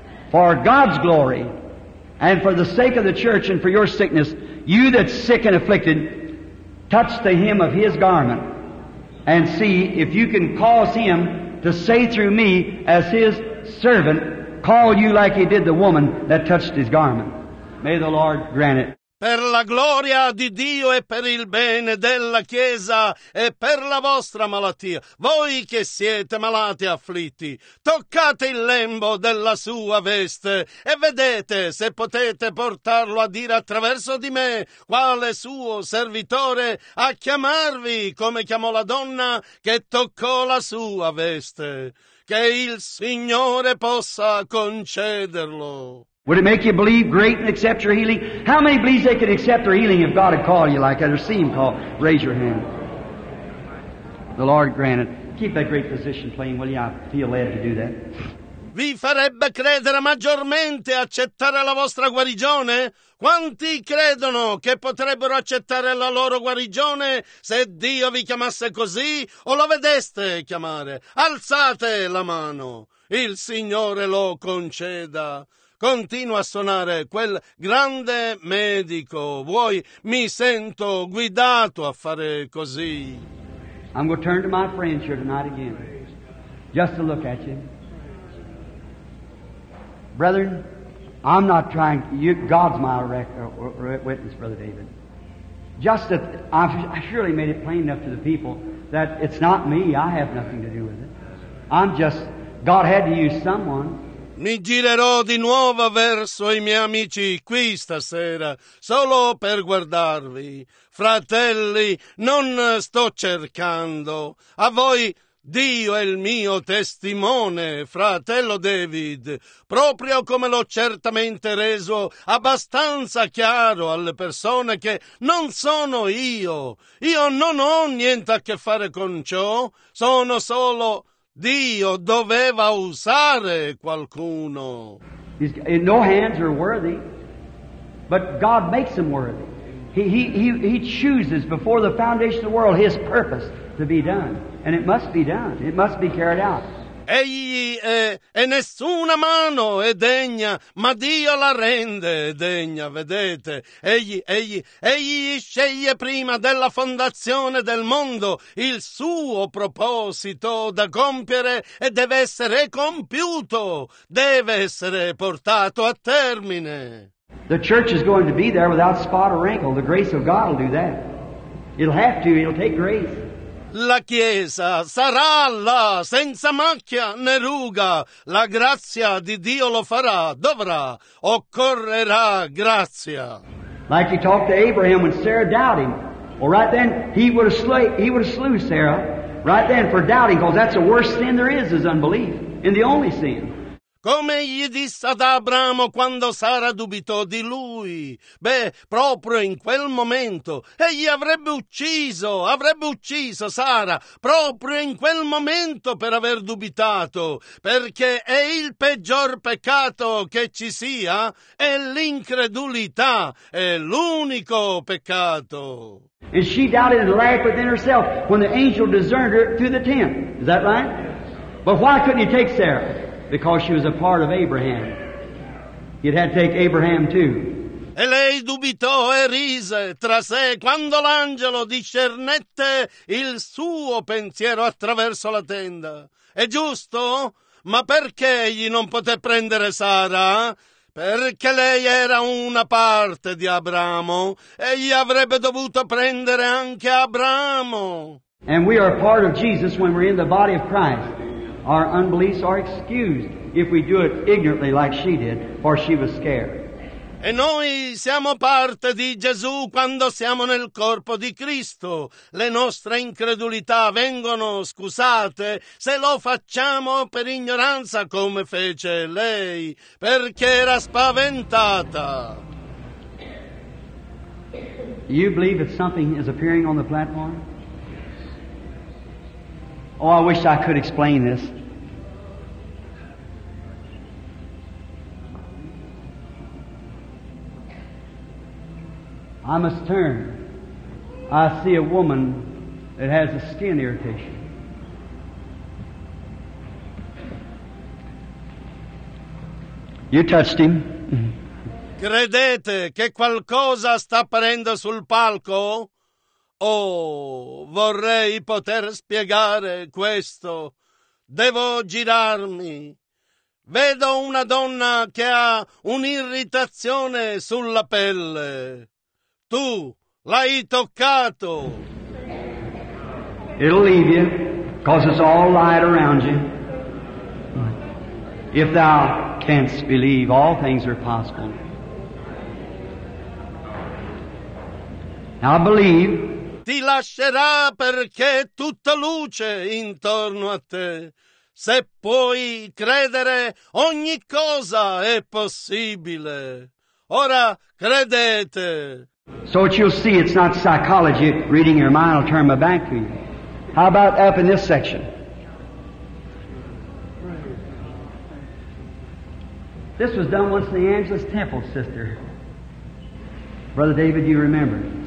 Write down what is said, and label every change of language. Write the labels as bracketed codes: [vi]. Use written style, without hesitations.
[en] For God's glory and for the sake of the church and for your sickness, you that's sick and afflicted, touch the hem of His garment and see if you can cause Him to say through me as His servant, call you like He did the woman that touched His garment. May the Lord grant it. [it] Per la gloria di Dio e per il bene della Chiesa e per la vostra malattia, voi che siete malati e afflitti, toccate il lembo della sua veste e vedete se potete portarlo a dire attraverso di me, quale suo servitore, a chiamarvi come chiamò la donna che toccò la sua veste. Che il Signore possa concederlo. [en] Would it make you believe great and accept your healing? How many believe they could accept their healing if God had called you like that or see Him call? Raise your hand. The Lord grant it. Keep that great position plain, will you? I feel led to do that. [it] Vi farebbe credere maggiormente accettare la vostra guarigione? Quanti credono che potrebbero accettare la loro guarigione se Dio vi chiamasse così o lo vedeste chiamare? Alzate la mano. Il Signore lo conceda. Continua a suonare quel grande medico. Vuoi? Mi sento guidato a fare così. [en] I'm going to turn to my friends here tonight again, just to look at you. Brethren, I'm not trying, God's my witness, Brother David. Just that I surely made it plain enough to the people that it's not me, I have nothing to do with it. I'm just, God had to use someone. [it] Mi girerò di nuovo verso i miei amici qui stasera, solo per guardarvi. Fratelli, non sto cercando. A voi Dio è il mio testimone, fratello David, proprio come l'ho certamente reso abbastanza chiaro alle persone che non sono io. Io non ho niente a che fare con ciò, sono solo Dio doveva usare qualcuno. [en] No hands are worthy, but God makes them worthy. He chooses before the foundation of the world his purpose to be done. And it must be done. It must be carried out. [it] Egli è, e nessuna mano è degna, ma Dio la rende degna, vedete? Egli sceglie prima della fondazione del mondo il suo proposito da compiere e deve essere compiuto, deve essere portato a termine. [en] The church is going to be there without spot or wrinkle. The grace of God will do that. It'll have to, it'll take grace. [it] La Chiesa sarà là, senza macchia né ruga. La grazia di Dio lo farà, dovrà, occorrerà grazia. [en] Like you talked to Abraham when Sarah doubted him. Well, right then, he would have slew Sarah, right then, for doubting, because that's the worst sin there is unbelief, and the only sin. [it] Come gli disse ad Abramo quando Sara dubitò di lui? Beh, proprio in quel momento, egli avrebbe ucciso Sara, proprio in quel momento per aver dubitato, perché è il peggior peccato che ci sia, è l'incredulità, è l'unico peccato. [en] And she doubted and laughed within herself when the angel discerned her through the tent. Is that right? But why couldn't he take Sarah? Because she was a part of Abraham. You'd have to take Abraham too. [it] E lei dubitò e rise tra sé quando l'angelo discernette il suo pensiero attraverso la tenda. È giusto? Ma perché egli non poté prendere Sara? Perché lei era una parte di Abramo. Egli avrebbe dovuto prendere anche Abramo. [en] And we are a part of Jesus when we're in the body of Christ. Our unbeliefs are excused if we do it ignorantly like she did, for she was scared. [it] E noi siamo parte di Gesù quando siamo nel corpo di Cristo. Le nostre incredulità vengono scusate se lo facciamo per ignoranza come fece lei, perché era spaventata. [en] You believe that something is appearing on the platform? Oh, I wish I could explain this. I must turn. I see a woman that has a skin irritation. You touched him. [it] Credete che qualcosa sta apparendo sul palco? Oh, vorrei poter spiegare questo. Devo girarmi. Vedo una donna che ha un'irritazione sulla pelle. Tu l'hai toccato. [en] It'll leave you, because it's all light around you. If thou canst believe, all things are possible. Now believe. [it] Ti lascerà perché è tutta luce intorno a te. Se puoi credere, ogni cosa è possibile. Ora credete. [en] So what you'll see, it's not psychology reading your mind will turn my back to you. How about up in this section? This was done once in the Angelus Temple, sister. Brother David, you remember.